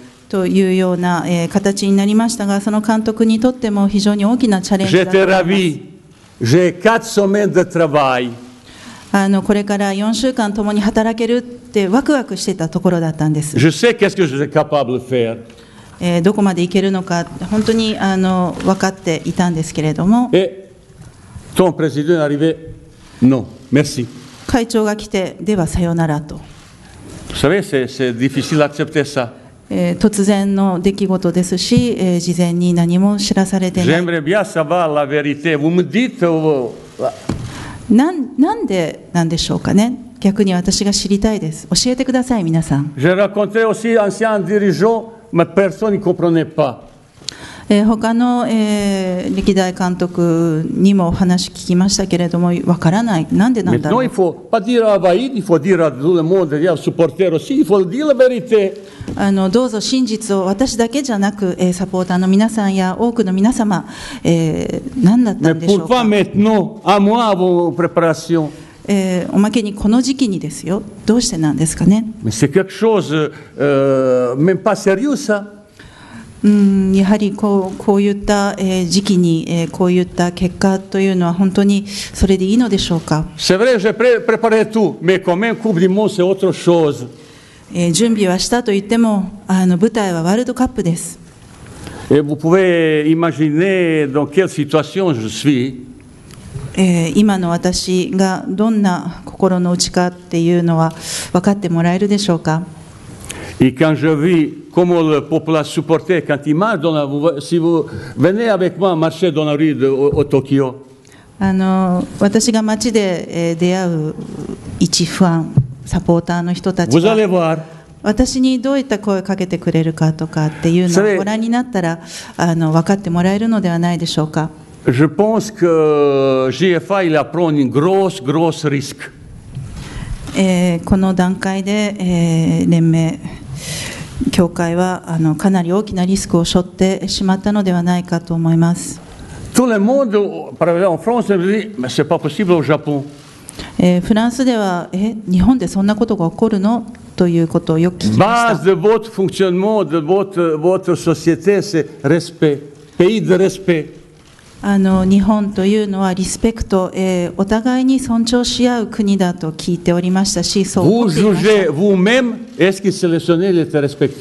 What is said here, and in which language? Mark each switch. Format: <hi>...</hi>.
<ja>というような、形になりましたが、その監督にとっても非常に大きなチャレンジだと思います。</ja> <fr>J'ai quatre semaines de travail.</fr> <ja>これから4週間共に働けるってワクワクしてたところだったんです。</ja> <fr>Je sais qu'est-ce que je suis capable de faire.</fr> <ja>どこまで行けるのか本当に分かっていたんですけれども、</ja> <fr>ton président est arrivé. Non, merci.</fr> <ja>会長が来て、ではさよならと。突然の出来事ですし、事前に何も知らされてない。</ja> <fr>J'aimerais bien savoir la vérité. Vous me dites.</fr> <ja>なんでなんでしょうかね。逆に私が知りたいです。教えてください、皆さん。</ja> <fr>J'ai raconté aussi à un ancien dirigeant. Mais personne ne comprenait pas.</fr> <ja>他の、歴代監督にもお話聞きましたけれども、分からない、なんでなんだろう。</ja> <fr>Non, il faut pas dire à Vaïd, il faut dire à tout le monde, il y a supporters aussi, il faut dire la vérité.</fr> <ja>どうぞ真実を私だけじゃなく、サポーターの皆さんや多くの皆様、何だったんでしょうか。</ja> <fr>Mais pourquoi maintenant, à moi, vos préparations?</fr> <ja>おまけにこの時期にですよ。どうしてなんですかね。</ja> <fr>C'est quelque chose, même pas sérieux, ça.</fr> <ja>やはりこういった、時期に、こういった結果というのは本当にそれでいいのでしょうか。</ja> <fr>C'est vrai, j'ai préparé tout, mais quand même, Coupe du Monde, c'est autre chose.</fr> <ja>準備はしたと言っても、舞台はワールドカップです。</ja> <fr>Et vous pouvez imaginer dans quelle situation je suis.</fr> <ja>今の私がどんな心の内かっていうのは分かってもらえるでしょうか。</ja> <fr>Et quand je vis comme le peuple supporter quand il marche dans la rue, si vous venez avec moi marcher dans la rue de Tokyo.</fr> <ja>私が街で出会う一ファン、サポーターの人たちが。</ja> <fr>Vous allez voir.</fr> <ja>私にどういった声をかけてくれるかとかっていうのをご覧になったら、分かってもらえるのではないでしょうか。</ja> <fr>Je pense que GFA il a pris une grosse, grosse risque.</fr> <ja>この段階で、連盟協会はかなり大きなリスクを背負ってしまったのではないかと思います。</ja> <fr>Tout le monde, par exemple, en France, me dit, mais c'est pas possible au Japon.</fr> <ja>フランスでは、日本でそんなことが起こるの？ということをよく聞きました。</ja> <fr>Base de votre fonctionnement, de votre société, c'est respect, pays de respect.</fr> <ja>日本というのはリスペクト、お互いに尊重し合う国だと聞いておりましたし、そう思っていました。</ja>